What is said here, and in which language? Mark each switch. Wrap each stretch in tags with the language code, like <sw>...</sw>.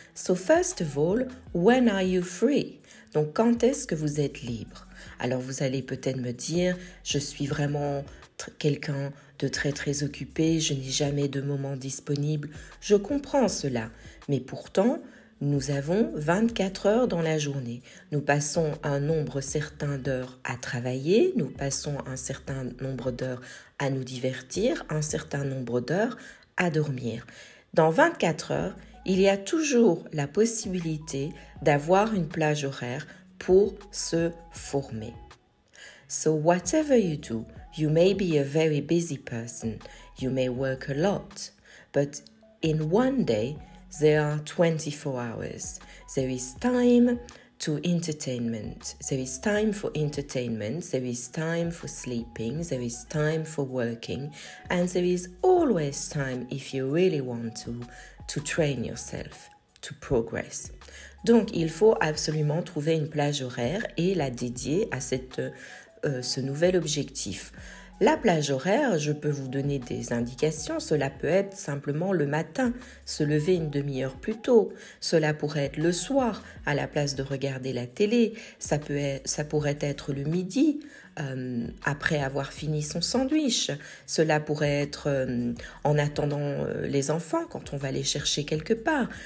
<en>So, first of all, when are you free?</en> <fr>Donc, quand est-ce que vous êtes libre? Alors, vous allez peut-être me dire, je suis vraiment quelqu'un de très, très occupé, je n'ai jamais de moment disponible. Je comprends cela, mais pourtant, nous avons 24 heures dans la journée. Nous passons un nombre certain d'heures à travailler, nous passons un certain nombre d'heures à nous divertir, un certain nombre d'heures à dormir. Dans 24 heures, il y a toujours la possibilité d'avoir une plage horaire pour se former.</fr> <en>So whatever you do, you may be a very busy person. You may work a lot, but in one day, there are 24 hours. There is time to entertainment. There is time for entertainment. There is time for sleeping. There is time for working. And there is always time, if you really want to train yourself, to progress.</en> <fr>Donc, il faut absolument trouver une plage horaire et la dédier à ce nouvel objectif. La plage horaire, je peux vous donner des indications, cela peut être simplement le matin, se lever une demi-heure plus tôt, cela pourrait être le soir à la place de regarder la télé, ça pourrait être le midi après avoir fini son sandwich, cela pourrait être en attendant les enfants quand on va les chercher quelque part.</fr>